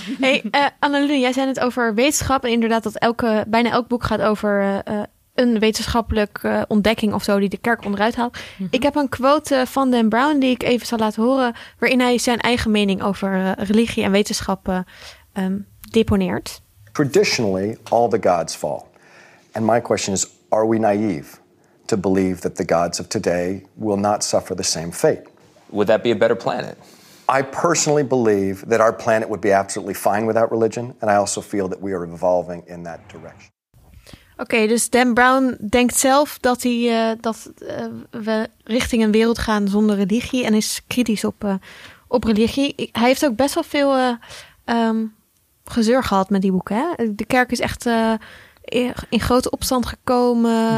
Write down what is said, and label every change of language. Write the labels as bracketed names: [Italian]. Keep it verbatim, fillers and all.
[Dutch] Hey, uh, Annalou, jij zei het over wetenschap... en inderdaad dat elke, bijna elk boek gaat over... Uh, een wetenschappelijke uh, ontdekking of zo die de kerk onderuit haalt. Mm-hmm. Ik heb een quote van Dan Brown die ik even zal laten horen, waarin hij zijn eigen mening over uh, religie en wetenschappen uh, um, deponeert. [English] Traditionally, all the gods fall. And my question is, are we naive to believe that the gods of today will not suffer the same fate? Would that be a better planet? I personally believe that our planet would be absolutely fine without religion, and I also feel that we are evolving in that direction. [Dutch] Oké, okay, dus Dan Brown denkt zelf dat, hij, uh, dat uh, we richting een wereld gaan zonder religie en is kritisch op, uh, op religie. Ik, hij heeft ook best wel veel uh, um, gezeur gehad met die boeken. Hè? De kerk is echt uh, in grote opstand gekomen.